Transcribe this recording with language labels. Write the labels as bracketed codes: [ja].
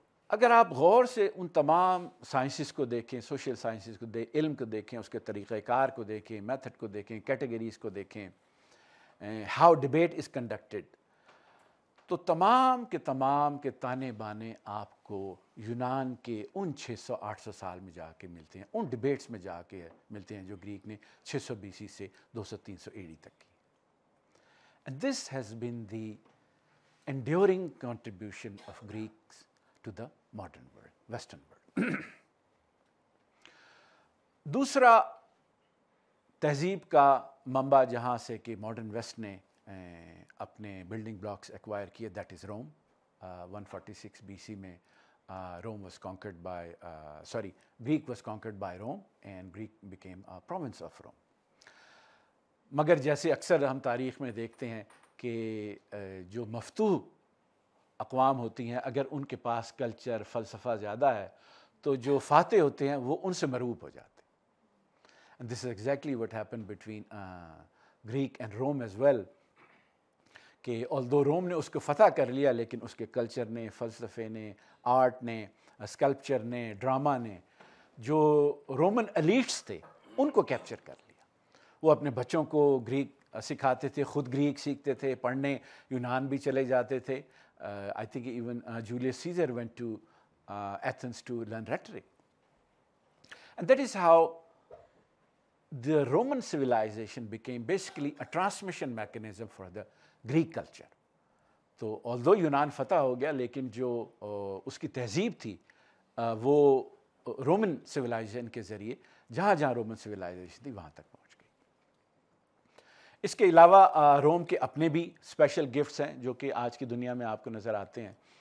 [ur] اگر آپ غور سے ان تمام سائنسز کو دیکھیں, سوشل سائنسز کو دیکھیں, علم کو دیکھیں, اس کے طریقہ کار کو دیکھیں, میتھڈ کو دیکھیں, کیٹیگریز کو دیکھیں, [en] how debate is conducted, [ur] تو تمام کے تمام کے تانے بانے آپ کو یونان کے ان 600-800 سال میں جا کے ملتے ہیں, ان ڈبیٹس میں جا کے ملتے ہیں جو گریک نے 600 BC سے 200-300 AD تک کی. [en] And this has been the enduring contribution of Greeks to the modern world, Western world. [ur] دوسرا تہذیب کا منبع جہاں سے کہ modern West نے اپنے building blocks acquire کیے, [en] that is Rome. 146 BC میں Rome was conquered by, sorry, Greek was conquered by Rome and Greek became a province of Rome. [ur] مگر جیسے اکثر ہم تاریخ میں دیکھتے ہیں کہ جو مفتوح اقوام ہوتی ہیں اگر ان کے پاس کلچر فلسفہ زیادہ ہے تو جو فاتح ہوتے ہیں وہ ان سے مروب ہو جاتے ہیں. [en] this is exactly what happen between Greek and Rome as well, [ur] کہ آلدو روم نے اس کو فتح کر لیا لیکن اس کے کلچر نے, فلسفے نے, آرٹ نے, اسکلپچر نے, ڈرامہ نے جو رومن ایلیٹس تھے ان کو کیپچر کر لیا. وہ اپنے بچوں کو گریک سکھاتے تھے, خود گریک سیکھتے تھے, پڑھنے یونان بھی چلے جاتے تھے. [en] I think even Julius Caesar went to Athens to learn rhetoric. And that is how the Roman civilization became basically a transmission mechanism for the Greek culture. [ur] تو آل دو یونان فتح ہو گیا لیکن جو اس کی تہذیب تھی وہ رومن سویلائزیشن کے ذریعے جہاں جہاں رومن سویلائزیشن تھی وہاں تک. اس کے علاوہ روم کے اپنے بھی اسپیشل گفٹس ہیں جو کہ آج کی دنیا میں آپ کو نظر آتے ہیں.